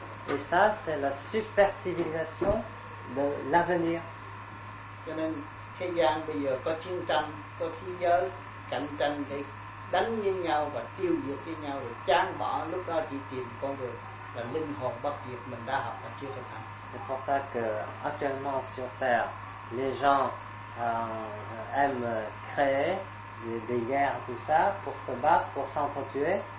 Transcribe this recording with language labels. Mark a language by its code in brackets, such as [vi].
[fr] Et ça, c'est la super civilisation de l'avenir. [vi] thế gian bây giờ có chiến tranh, có khí giới cạnh tranh để đánh với nhau và tiêu diệt với nhau rồi chán bỏ, lúc đó chỉ tìm con đường là linh hồn bất diệt mình đã học và chưa thực hành. [fr] C'est pour ça que actuellement sur Terre, les gens aiment créer des guerres, tout ça, pour se battre, pour s'entretuer.